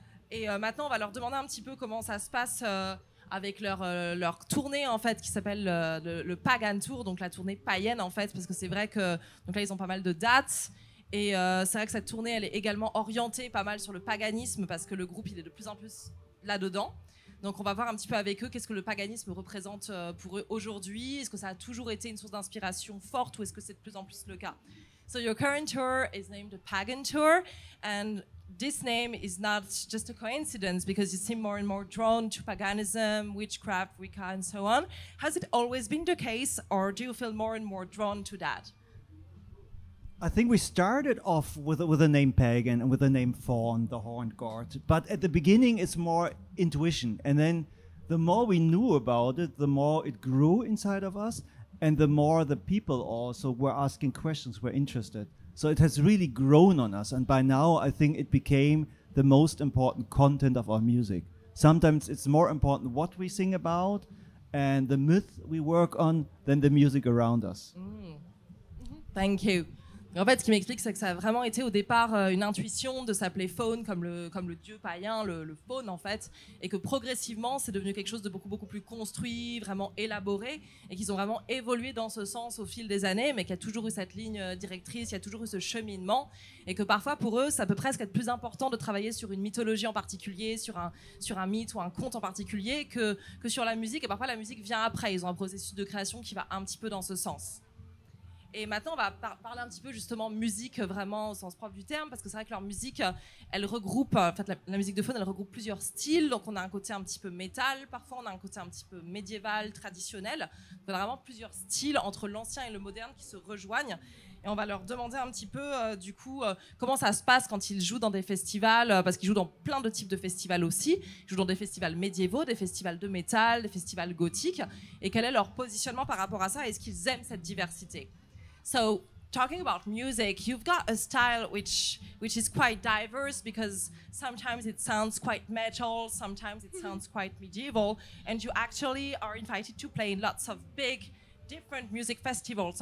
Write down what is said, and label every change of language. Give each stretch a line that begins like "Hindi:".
French: Et maintenant, on va leur demander un petit peu comment ça se passe avec leur tournée, en fait, qui s'appelle le Pagan Tour, donc la tournée païenne, en fait, parce que c'est vrai que donc là ils ont pas mal de dates. Et c'est vrai que cette tournée, elle est également orientée pas mal sur le paganisme, parce que le groupe, il est de plus en plus là-dedans. Donc on va voir un petit peu avec eux qu'est-ce que le paganisme représente pour eux aujourd'hui. Est-ce que ça a toujours été une source d'inspiration forte ou est-ce que c'est de plus en plus le cas?
English: So your current tour is named the Pagan Tour, and this name is not just a coincidence because you seem more and more drawn to paganism, witchcraft, Wicca and so on. Has it always been the case or do you feel more and more drawn to that? I think we started off with the name Pagan and with the name Fawn, the horned god. But at the beginning, it's more intuition. And then the more we knew about it, the more it grew inside of us. And the more the people also were asking questions, were interested. So it has really grown on us. And by now, I think it became the most important content of our music. Sometimes it's more important what we sing about and the myth we work on than the music around us. Mm-hmm. Thank you.
French: En fait, ce qui m'explique, c'est que ça a vraiment été au départ une intuition de s'appeler Fawn, comme le dieu païen, le Fawn, en fait, et que progressivement, c'est devenu quelque chose de beaucoup, beaucoup plus construit, vraiment élaboré, et qu'ils ont vraiment évolué dans ce sens au fil des années, mais qu'il y a toujours eu cette ligne directrice, il y a toujours eu ce cheminement, et que parfois, pour eux, ça peut presque être plus important de travailler sur une mythologie en particulier, sur un mythe ou un conte en particulier, que sur la musique, et parfois la musique vient après. Ils ont un processus de création qui va un petit peu dans ce sens. Et maintenant, on va parler un petit peu justement musique vraiment au sens propre du terme, parce que c'est vrai que leur musique, elle regroupe, en fait, la musique de Fawn, elle regroupe plusieurs styles. Donc, on a un côté un petit peu métal, parfois on a un côté un petit peu médiéval, traditionnel. On a vraiment plusieurs styles entre l'ancien et le moderne qui se rejoignent. Et on va leur demander un petit peu, du coup, comment ça se passe quand ils jouent dans des festivals, parce qu'ils jouent dans plein de types de festivals aussi. Ils jouent dans des festivals médiévaux, des festivals de métal, des festivals gothiques. Et quel est leur positionnement par rapport à ça? Est-ce qu'ils aiment cette diversité?
English: So, talking about music, you've got a style which is quite diverse because sometimes it sounds quite metal, sometimes it sounds quite medieval, and you actually are invited to play in lots of big, different music festivals.